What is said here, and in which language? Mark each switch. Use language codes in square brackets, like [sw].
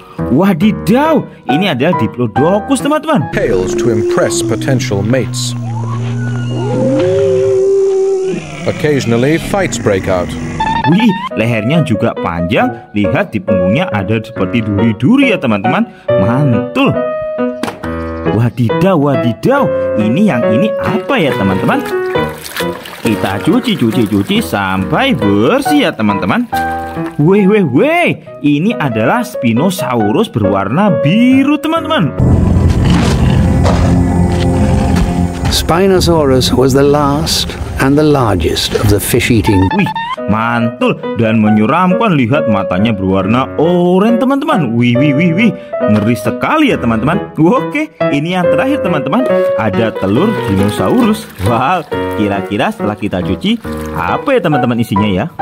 [id] Wadidaw, ini adalah Diplodocus, teman-teman. [en] Tails to impress potential mates. Occasionally fights break out. [id] Wih, lehernya juga panjang. Lihat di punggungnya ada seperti duri-duri ya, teman-teman. Mantul. Wadidaw, wadidaw. Ini yang ini apa ya, teman-teman? Kita cuci, cuci, cuci sampai bersih ya, teman-teman. Weh, weh, weh. Ini adalah Spinosaurus berwarna biru, teman-teman. [en] Spinosaurus was the last and the largest of the fish-eating. [id] Wih, mantul dan menyeramkan. Lihat matanya berwarna oranye, teman-teman. Wih, wih, wih, wih. Ngeri sekali ya, teman-teman. Oke, ini yang terakhir, teman-teman. Ada telur dinosaurus. Wow, kira-kira setelah kita cuci, apa ya, teman-teman, isinya ya?